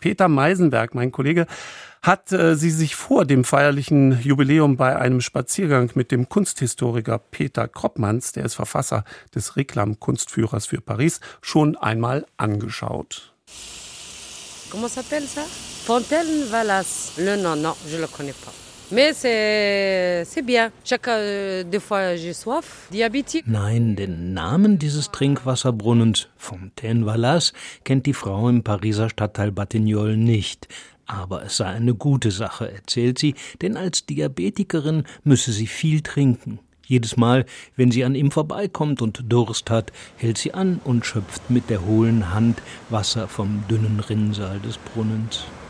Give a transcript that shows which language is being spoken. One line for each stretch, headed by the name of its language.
German: Peter Meisenberg, mein Kollege, hat sie sich vor dem feierlichen Jubiläum bei einem Spaziergang mit dem Kunsthistoriker Peter Kroppmanns, der ist Verfasser des Reklam-Kunstführers für Paris, schon einmal angeschaut.
French: Comment s'appelle ça? Fontaine Valas. Le nom, non, je le connais pas. Mais c'est bien. Chaque deux fois j'ai soif, diabétique.
German: Nein, den Namen dieses Trinkwasserbrunnens, Fontaine Valas, kennt die Frau im Pariser Stadtteil Batignolles nicht. Aber es sei eine gute Sache, erzählt sie, denn als Diabetikerin müsse sie viel trinken. Jedes Mal, wenn sie an ihm vorbeikommt und Durst hat, hält sie an und schöpft mit der hohlen Hand Wasser vom dünnen Rinnsal des Brunnens.